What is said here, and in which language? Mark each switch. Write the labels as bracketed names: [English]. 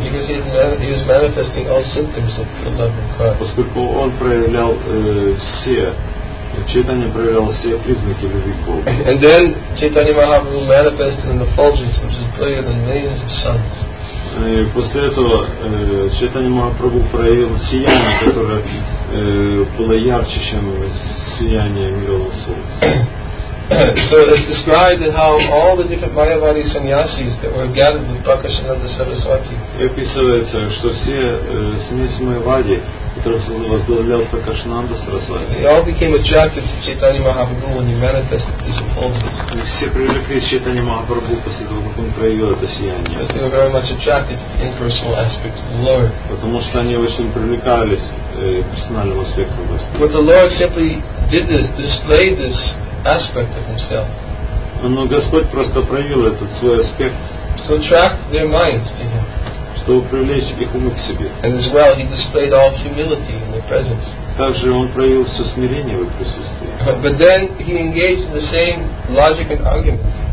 [English] Because he was manifesting all symptoms of the love of God. [Russian] Поскольку он проявлял все, Чайтанья проявлял все признаки любви к Богу. [English] And then Chaitanya Mahaprabhu manifested in the fulgence, which is brighter than millions of suns. [Russian] И после этого Чайтанья Махапрабху проявил сияние, которое было ярче, чем сияние мирового солнца. [English] So it's described in how all the different Mayavadi sannyasis that were gathered with Prakashananda Saraswati. [Russian] И описывается, что все сеньяси Майавади, которых возглавлял Прокашинанда Сарасвати, [English] they all became attracted to Chaitanya Mahaprabhu when he manifested these effulgences. [Russian] И все привлеклись к Чайтанья Махапрабху после того, как он проявил это сияние. [English] Because they were very much attracted to the impersonal aspect of the Lord. [Russian] Потому что они очень привлекались к персональному аспекту Господа. [English] But the Lord simply did this, displayed this aspect of himself. [Russian] Но Господь просто проявил этот свой аспект. [English] To attract their minds to him. [Russian] Чтобы привлечь их умы к себе. [English] And as well, he displayed all humility in their presence. [Russian] Также он проявил все смирение в их присутствии. [English] But then he engaged in the same logic and argument.